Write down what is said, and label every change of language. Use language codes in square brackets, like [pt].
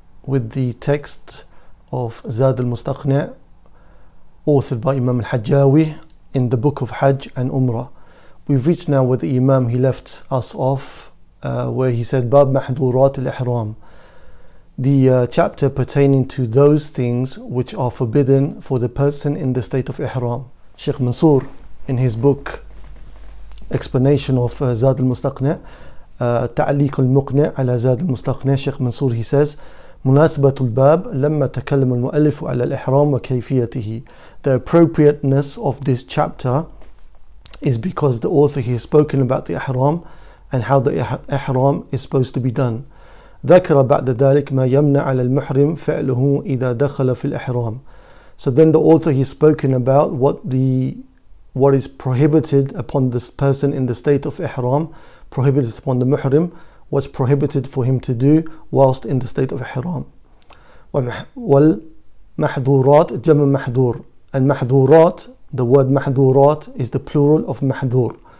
[en] With the text of Zad al-Mustaqni', authored by Imam al-Hajjawi in the book of Hajj and Umrah. We've reached now where the Imam, he left us off, where he said, [ar] Bab mahdhurat al-ihram, [en] the chapter pertaining to those things which are forbidden for the person in the state of ihram. Sheikh Mansour, in his book, explanation of Zad al-Mustaqni', [ar] تعليق المقنع على زاد المستقنع شيخ منصور, [en] he says [ar] مناسبة الباب لما تكلم المؤلف على الإحرام وكيفيته. [en] The appropriateness of this chapter is because the author, he has spoken about the إحرام and how the إحرام is supposed to be done. [ar] ذكر بعد ذلك ما يمنع على المحرم فعله إذا دخل في الإحرام. [en] So then the author, he has spoken about what is prohibited upon this person in the state of ihram, prohibited upon the muhrim, what's prohibited for him to do whilst in the state of ihram. [ar] Wal mahdhurat jam' mahdhur, [en] and mahdhurat, the word mahdhurat is the plural of mahdhur.